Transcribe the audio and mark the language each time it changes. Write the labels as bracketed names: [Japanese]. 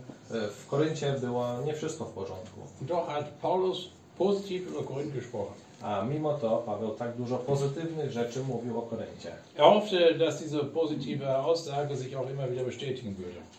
[Polish] W Koryncie było nie wszystko w porządku. [German] Doch hat Paulus positiv über Korinth gesprochen. [Polish] A mimo to Paweł tak dużo pozytywnych rzeczy mówił o Koryncie. [German] Er hoffte, dass diese positive Aussage sich auch immer wieder bestätigen würde.